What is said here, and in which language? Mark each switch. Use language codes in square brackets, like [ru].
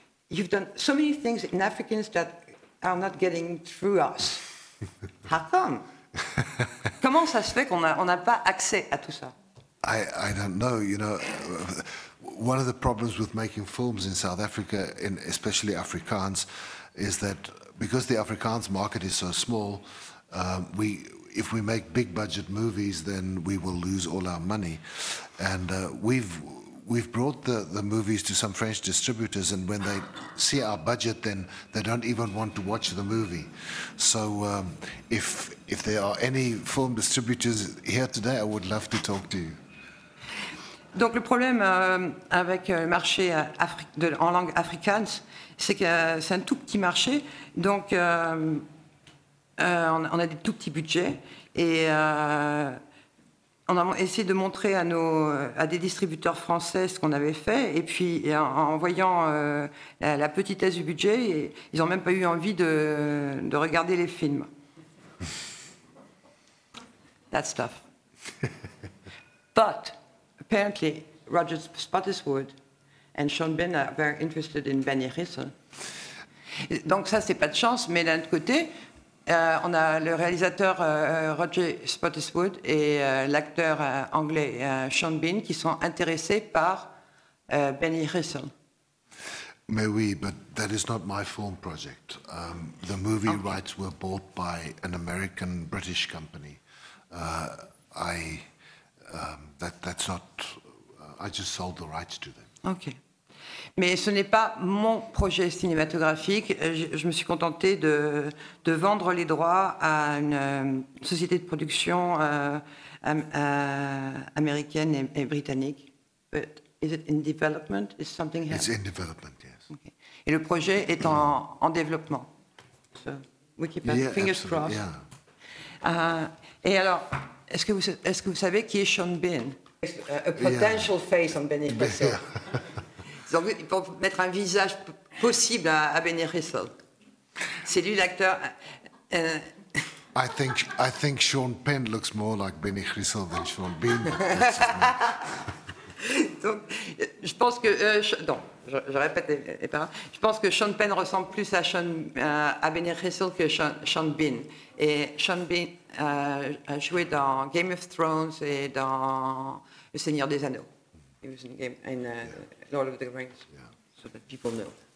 [en] You've done so many things in Africans that are not getting through us. How come? [fr] Comment ça se fait qu'on n'a pas accès à tout ça? [en] I don't know, you know. One of the problems with making films in South Africa, and especially Afrikaans, is that because the Afrikaans market is so small, if we make big budget movies, then we will lose all our money. And we've brought the movies to some French distributors, and when they see our budget, then they don't even want to watch the movie. So if there are any film distributors here today, I would love to talk to you. [fr] Donc le problème avec le marché en langue africaine, c'est que c'est un tout petit marché, donc on a des tout petits budgets, et on a essayé de montrer à des distributeurs français ce qu'on avait fait, et puis en voyant la petitesse du budget, ils n'ont même pas eu envie de regarder les films. [en] That stuff. But apparently, Roger Spottiswoode and Sean Bean are very interested in Benny Risser. [fr] Donc ça, c'est pas de chance, mais d'un autre côté, on a le réalisateur Roger Spottiswoode et l'acteur anglais Sean Bean qui sont intéressés par Benny Risser. Mais oui, [en] but that is not my film project. The movie rights were bought by an American-British company. I just sold the rights to them. [fr] Okay. Mais ce n'est pas mon projet cinématographique. Je me suis contentée de vendre les droits à une société de production américaine et britannique. [en] But is it in development? Is something happening? It's in development, yes. Okay. [fr] Et le projet est en développement. [en] So, we keep our fingers absolutely. Crossed. Yeah. [fr] Et alors, est-ce que vous savez qui est Sean Bean? [en] A potential face on Benny Risser. Yeah. [fr] Ils vont mettre un visage possible à Benny Risser. C'est lui l'acteur. [en] I think Sean Penn looks more like Benny Risser than Sean Bean. [fr] Donc, je pense que je répète les paroles. Je pense que Sean Penn ressemble plus à Benny Risser que Sean Bean. Et Sean Bean a joué dans Game of Thrones et dans Le Seigneur des Anneaux. [en] He was in Game in Lord of the Rings, so that people know.